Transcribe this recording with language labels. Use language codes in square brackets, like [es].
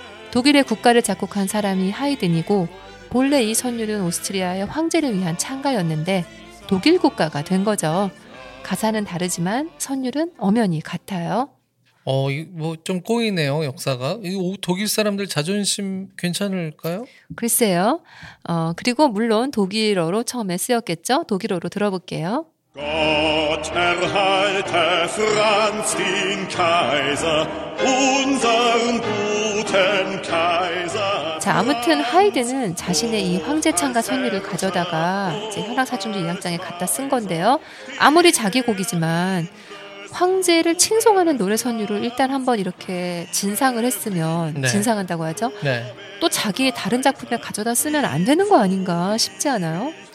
[ko] 독일의 국가를 작곡한 사람이 하이든이고 본래 이 선율은 오스트리아의 황제를 위한 찬가였는데 독일 국가가 된 거죠. 가사는 다르지만 선율은 엄연히 같아요. 뭐 좀 꼬이네요, 역사가. 독일 사람들 자존심 괜찮을까요? 글쎄요. 그리고 물론 독일어로 처음에 쓰였겠죠. 독일어로 들어볼게요. [de] Gott erhalte Franz den Kaiser, unseren guten Kaiser. [ko] 자, 아무튼 하이든은 자신의 이 황제 창가 선율을 가져다가 이제 현악 사중주 2악장에 갖다 쓴 건데요. 아무리 자기 곡이지만 황제를 칭송하는 노래 선율을 일단 한번 이렇게 진상을 했으면 네. 진상한다고 하죠. 네. 또 자기의 다른 작품에 가져다 쓰면 안 되는 거 아닌가 싶지 않아요?